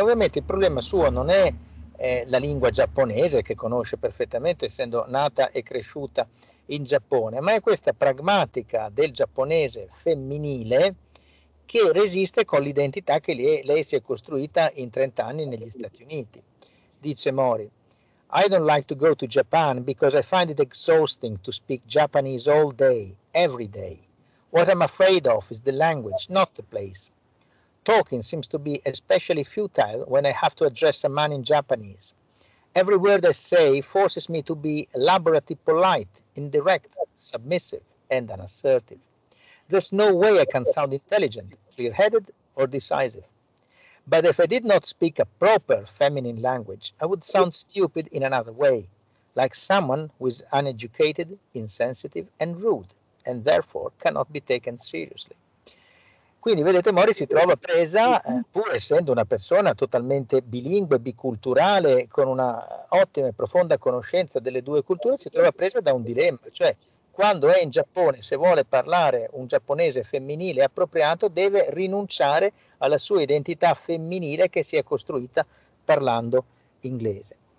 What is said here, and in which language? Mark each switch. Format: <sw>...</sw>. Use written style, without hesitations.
<it>Ovviamente il problema suo non è la lingua giapponese, che conosce perfettamente essendo nata e cresciuta in Giappone, ma è questa pragmatica del giapponese femminile che resiste con l'identità che lei si è costruita in 30 anni negli Stati Uniti. Dice Mori:</it> <en>I don't like to go to Japan because I find it exhausting to speak Japanese all day, every day. What I'm afraid of is the language, not the place. Talking seems to be especially futile when I have to address a man in Japanese. Every word I say forces me to be elaborately polite, indirect, submissive, and unassertive. There's no way I can sound intelligent, clear-headed, or decisive. But if I did not speak a proper feminine language, I would sound stupid in another way, like someone who is uneducated, insensitive, and rude, and therefore cannot be taken seriously.</en> <it>Quindi vedete, Mori si trova presa, pur essendo una persona totalmente bilingue, biculturale, con una ottima e profonda conoscenza delle due culture, si trova presa da un dilemma, cioè quando è in Giappone, se vuole parlare un giapponese femminile appropriato, deve rinunciare alla sua identità femminile che si è costruita parlando inglese.</it>